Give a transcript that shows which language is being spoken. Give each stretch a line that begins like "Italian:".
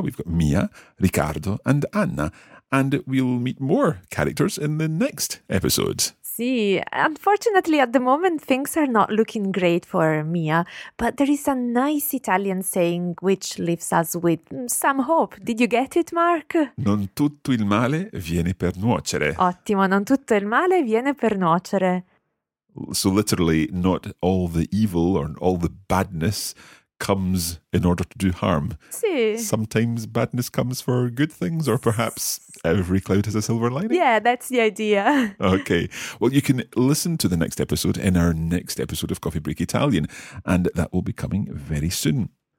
English: We've got Mia, Ricardo and Anna. And we'll meet more characters in the next episode. See, unfortunately at the moment things are not looking great for Mia, but there is a nice Italian saying which leaves us with some hope. Did you get it, Mark?
Italian: Non tutto il male viene per nuocere. Ottimo, non tutto il male viene per nuocere.
English: So literally, not all the evil or all the badness comes in order to do harm. See. Sometimes badness comes for good things, or perhaps every cloud has a silver lining. Yeah, that's the idea. Okay. Well, you can listen to the next episode in our next episode of Coffee Break Italian, and that will be coming very soon.